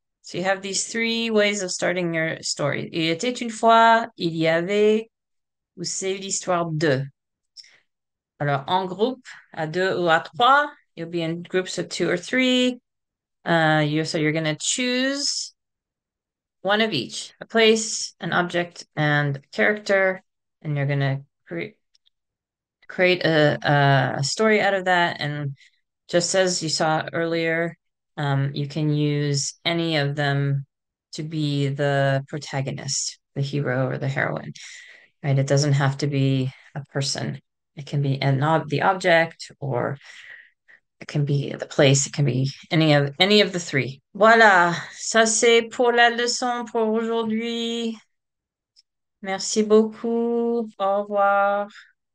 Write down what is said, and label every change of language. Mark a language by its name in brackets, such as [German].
[English] So you have these three ways of starting your story. [French] Il était une fois, il y avait, ou c'est l'histoire de. Alors, en groupe, à deux ou à trois, [English] you'll be in groups of two or three. So you're going to choose one of each, a place, an object, and a character. And you're going to create a story out of that. And just as you saw earlier, you can use any of them to be the protagonist, the hero or the heroine, right? It doesn't have to be a person. It can be the object, or it can be the place. It can be any of the three. [French] Voilà, ça c'est pour la leçon pour aujourd'hui. Merci beaucoup. Au revoir.